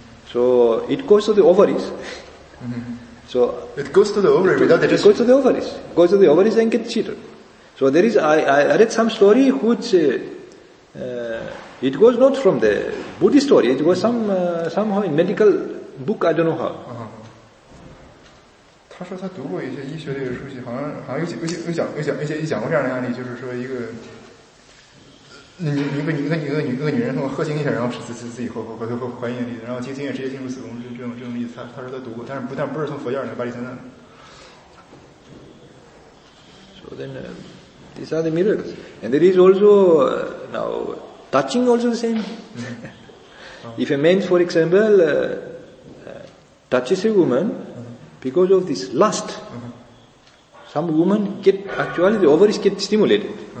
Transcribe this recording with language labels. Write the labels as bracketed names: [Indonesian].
[English] So it goes to the ovaries. So it goes to the ovaries without the It goes to the ovaries. Goes to the ovaries and gets children. So there is, I read some story which, it was not from the Buddhist story, it was somehow in medical book, I don't know how. [Chinese] 他说他读过一些医学类的书籍，好像有讲过这样的案例，就是说一个一个女人喝精液，然后自己怀孕的例子，然后精液直接进入子宫，这种例子，他说他读过，但不是从佛教的巴利三藏。 [English] So then, these are the miracles, and there is also now touching also the same. If a man, for example, touches a woman. Because of this lust, some women get, actually the ovaries get stimulated.